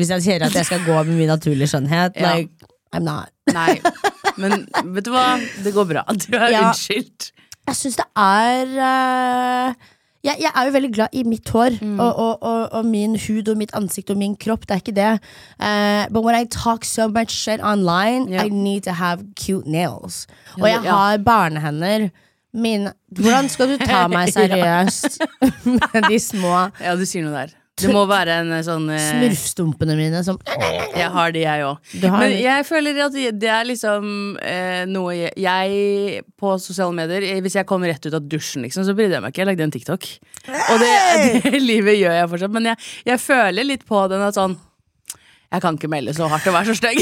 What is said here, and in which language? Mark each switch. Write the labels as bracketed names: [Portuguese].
[Norwegian] Hvis jeg sier at jeg skal gå med min naturlige skjønnhet, [English] I'm not. [Norwegian] Nei, men vet du hva, det går bra. Du er unnskyld. Jeg synes det er jeg er jo veldig glad i mitt hår, og min hud og mitt ansikt og min kropp, det er ikke det. [English] But when I talk so much shit online, I need to have cute nails. [Norwegian] Og jeg har barnehender. Hvordan skal du ta meg seriøst? Med de små. Ja, du sier noe der. Det må være en sånn Smurfstumpene mine som Jeg har de jeg også Men jeg føler at det liksom noe jeg på sosiale medier Hvis jeg kommer rett ut av dusjen liksom, Så bryr jeg meg ikke, jeg lagde en TikTok Og det livet gjør jeg fortsatt Men jeg føler litt på den at sånn Jeg kan ikke melde så hardt å være så stegg